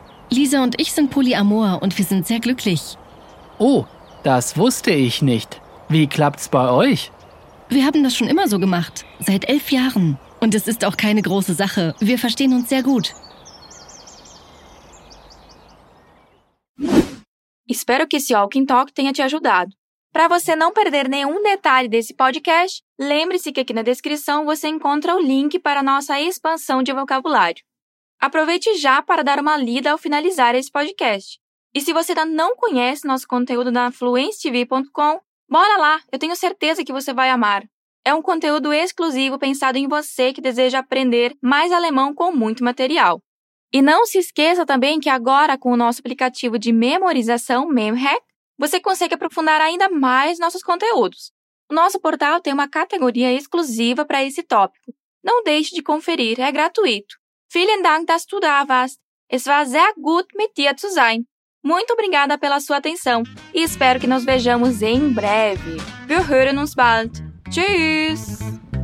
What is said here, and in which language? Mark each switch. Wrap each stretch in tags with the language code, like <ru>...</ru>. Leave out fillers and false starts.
<de>Lisa und ich sind Polyamor und wir sind sehr glücklich. Oh, das wusste ich nicht. Wie klappt's bei euch? Wir haben das schon immer so gemacht, seit 11 Jahren. Und es ist auch keine große Sache. Wir verstehen uns sehr gut.</de> <pt>Espero que esse Walking Talk tenha te ajudado. Para você não perder nenhum detalhe desse podcast, lembre-se que aqui na descrição você encontra o link para a nossa expansão de vocabulário. Aproveite já para dar uma lida ao finalizar esse podcast. E se você ainda não conhece nosso conteúdo na fluencetv.com, bora lá, eu tenho certeza que você vai amar. É um conteúdo exclusivo pensado em você que deseja aprender mais alemão com muito material. E não se esqueça também que agora, com o nosso aplicativo de memorização, MemHack, você consegue aprofundar ainda mais nossos conteúdos. O nosso portal tem uma categoria exclusiva para esse tópico. Não deixe de conferir, é gratuito.</pt> <de>Vielen Dank, dass du da warst. Es war sehr gut, mit dir zu sein.</de> <pt>Muito obrigada pela sua atenção e espero que nos vejamos em breve.</pt> <de>Wir hören uns bald. Tschüss!</de>